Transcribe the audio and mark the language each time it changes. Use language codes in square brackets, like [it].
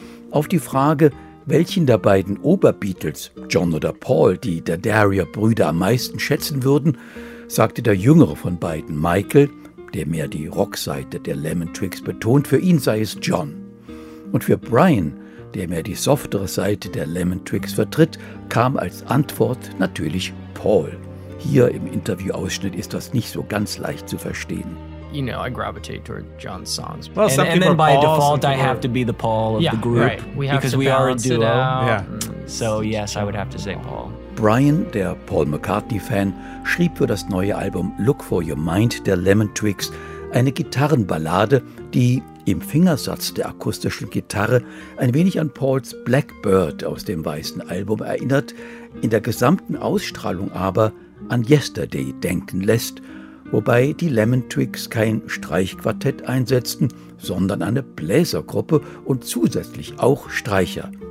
[de] Auf die Frage, welchen der beiden Ober-Beatles, John oder Paul, die Daddario-Brüder am meisten schätzen würden, sagte der jüngere von beiden, Michael, der mehr die Rockseite der Lemon Twigs betont, für ihn sei es John. Und für Brian, der mehr die softere Seite der Lemon Twigs vertritt, kam als Antwort natürlich Paul. Hier im Interviewausschnitt ist das nicht so ganz leicht zu verstehen. [en] You know, I gravitate toward John's songs. Well, and then by default, I have to be the Paul of the group. Right. We have because to we are a duo. Yeah. So yes, I would have to say Paul. [de] Brian, der Paul-McCartney-Fan, schrieb für das neue Album Look For Your Mind der Lemon Twigs eine Gitarrenballade, die im Fingersatz der akustischen Gitarre ein wenig an Pauls Blackbird aus dem Weißen Album erinnert, in der gesamten Ausstrahlung aber an Yesterday denken lässt, wobei die Lemon Twigs kein Streichquartett einsetzten, sondern eine Bläsergruppe und zusätzlich auch Streicher.